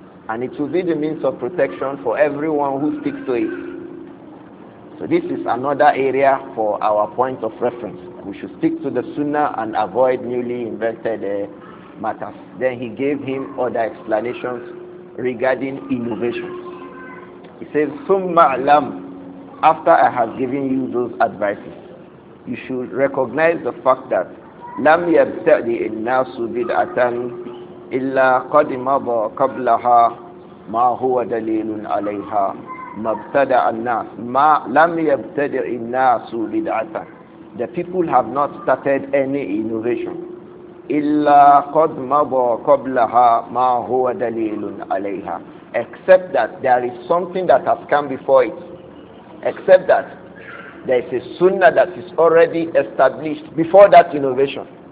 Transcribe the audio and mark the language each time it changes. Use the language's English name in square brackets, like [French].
[English] And it will be the means of protection for everyone who sticks to it. So this is another area for our point of reference. We should stick to the Sunnah and avoid newly invented matters. Then he gave him other explanations regarding innovations. He says, "Summa alam," after I have given you those advices, you should recognize the fact that [Arabic] لَمْ يَبْتَعْدِ النَّاسُ بِدْعَةً إِلَّا قَدْ مَضَى قَبْلَهَا مَا هُوَ دَلِيلٌ عَلَيْهَا مَبْتَدَعَ النَّاسُ مَا لَمْ يَبْتَعْدِ النَّاسُ بِدْعَةً. [English] The people have not started any innovation. [Arabic] إِلَّا قَدْ مَضَى قَبْلَهَا مَا هُوَ دَلِيلٌ عَلَيْهَا. [English] Except that there is something that has come before it. Except that there is a sunnah that is already established before that innovation.